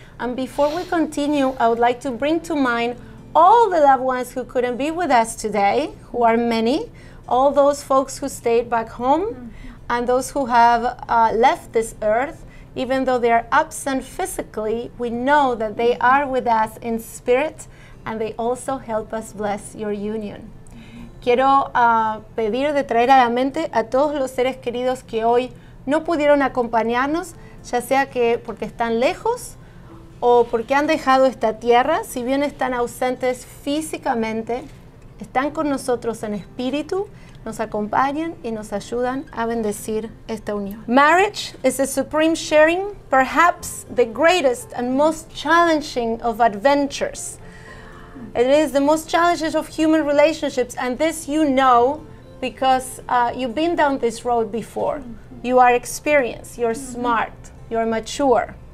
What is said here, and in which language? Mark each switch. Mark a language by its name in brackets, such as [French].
[English] And before we continue, I would like to bring to mind all the loved ones who couldn't be with us today, who are many, all those folks who stayed back home mm-hmm. and those who have left this earth. Even though they are absent physically, we know that they mm-hmm. are with us in spirit and they also help us bless your union. [Spanish] Quiero pedir de traer a la mente a todos los seres queridos que hoy no pudieron acompañarnos, ya sea que porque están lejos o porque han dejado esta tierra. Si bien están ausentes físicamente, están con nosotros en espíritu, nos acompañan y nos ayudan a bendecir esta unión. [English] Marriage is a supreme sharing, perhaps the greatest and most challenging of adventures. It is the most challenging of human relationships, and this you know because you've been down this road before. Mm-hmm. You are experienced, you're mm-hmm. smart, you're mature.